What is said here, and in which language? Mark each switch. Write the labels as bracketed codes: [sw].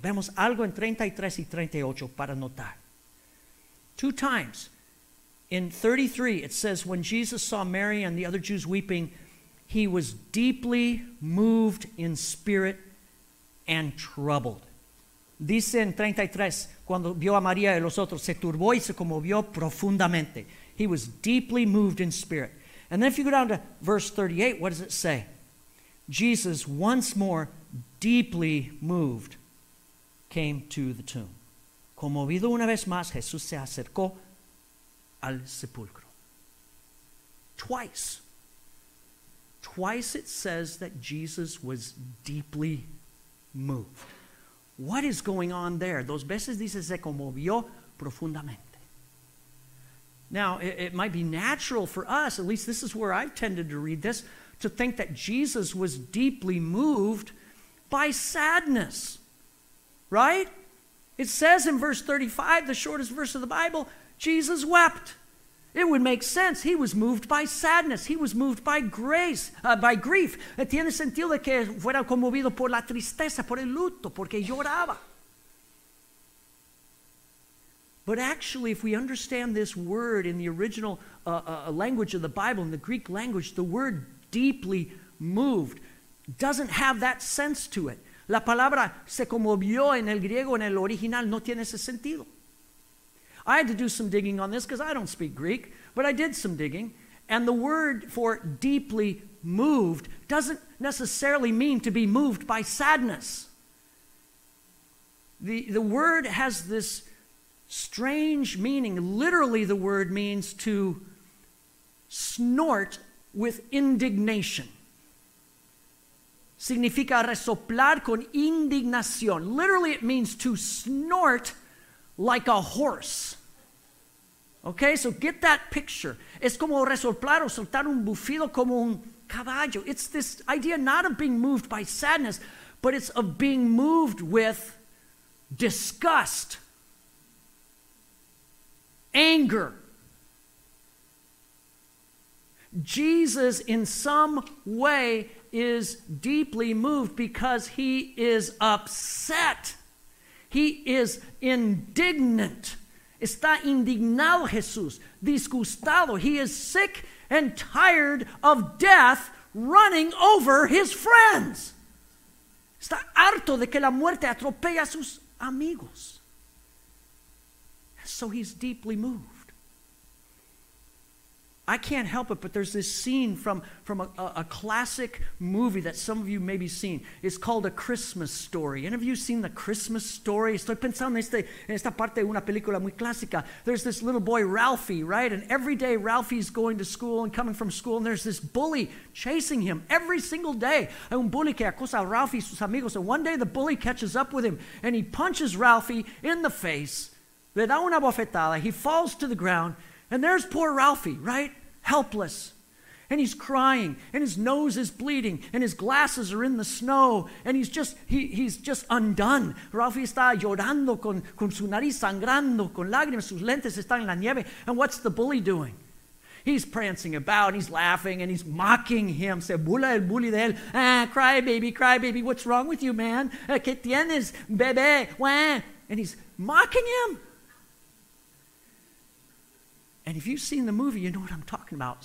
[es] Vemos algo en 33 y 38 para notar. [en] Two times. In 33, it says, when Jesus saw Mary and the other Jews weeping, he was deeply moved in spirit and troubled. [es] Dice en 33, cuando vio a María y los otros, se turbó y se conmovió profundamente. [en] He was deeply moved in spirit. And then if you go down to verse 38, what does it say? Jesus, once more, deeply moved, came to the tomb. [es] Conmovido una vez más, Jesús se acercó al sepulcro. [en] Twice it says that Jesus was deeply moved. What is going on there? [es] Dos veces dice, se conmovió profundamente. [en] Now, it might be natural for us, at least this is where I've tended to read this, to think that Jesus was deeply moved by sadness, right? It says in verse 35, the shortest verse of the Bible, Jesus wept. It would make sense. He was moved by sadness. He was moved by grace, by grief. [es] Tiene sentido que fuera conmovido por la tristeza, por el luto, porque lloraba. [en] But actually, if we understand this word in the original language of the Bible, in the Greek language, the word deeply moved doesn't have that sense to it. [es] La palabra se conmovió en el griego, en el original, no tiene ese sentido. [en] I had to do some digging on this because I don't speak Greek, but I did some digging. And the word for deeply moved doesn't necessarily mean to be moved by sadness. The word has this strange meaning. Literally, the word means to snort with indignation. [es] Significa resoplar con indignación. [en] Literally, it means to snort like a horse. Okay, so get that picture. [es] Es como resoplar o soltar un bufido como un caballo. [en] It's this idea not of being moved by sadness, but it's of being moved with disgust. Anger. Jesus in some way is deeply moved because he is upset. He is indignant. [es] Está indignado Jesús, disgustado. [en] He is sick and tired of death running over his friends. [es] Está harto de que la muerte atropelle a sus amigos. [en] So he's deeply moved. I can't help it, but there's this scene from a classic movie that some of you maybe seen. It's called A Christmas Story. Any of you seen The Christmas Story? [es] Estoy pensando en esta parte de una película muy clásica. [en] There's this little boy, Ralphie, right? And every day, Ralphie's going to school and coming from school, and there's this bully chasing him every single day. [es] Hay un bully que acosa a Ralphie y sus amigos, [en] and one day the bully catches up with him, and he punches Ralphie in the face. [es] Le da una bofetada. [en] He falls to the ground. And there's poor Ralphie, right? Helpless. And he's crying, and his nose is bleeding, and his glasses are in the snow, and he's just undone. [es] Ralphie está llorando con su nariz sangrando, con lágrimas, sus lentes están en la nieve. [en] And what's the bully doing? He's prancing about, and he's laughing, and he's mocking him. [es] Se burla el bully de él. [en] Ah, cry baby, what's wrong with you, man? [es] ¿Qué tienes, bebé? [en] Wah. And he's mocking him. And if you've seen the movie, you know what I'm talking about.